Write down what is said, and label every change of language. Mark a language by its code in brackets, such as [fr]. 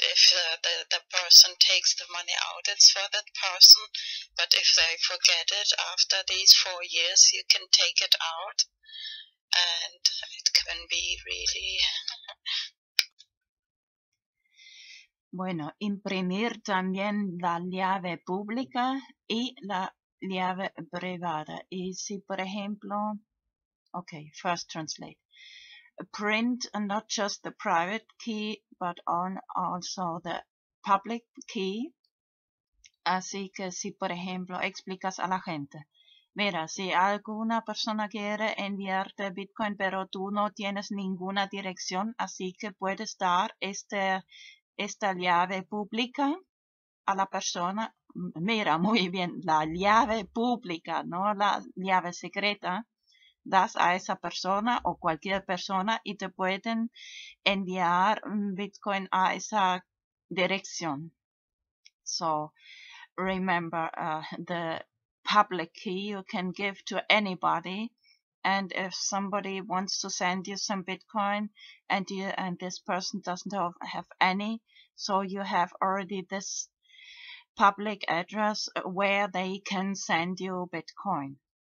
[en] If the person takes the money out, it's for that person. But if they forget it after these 4 years, you can take it out, and it can be really. [es] Bueno, imprimir también la llave pública y la llave privada. Y si por ejemplo, [en] okay, first translate. Print not just the private key, but on also the public key. [es] Así que si, por ejemplo, explicas a la gente. Mira, si alguna persona quiere enviarte Bitcoin, pero tú no tienes ninguna dirección, así que puedes dar este esta llave pública a la persona. Mira muy bien, la llave pública, no la llave secreta, das a esa persona o cualquier persona y te pueden enviar Bitcoin a esa dirección. [en] So, remember, the public key you can give to anybody. And if somebody wants to send you some Bitcoin and you, and this person doesn't have any, so you have already this public address where they can send you Bitcoin.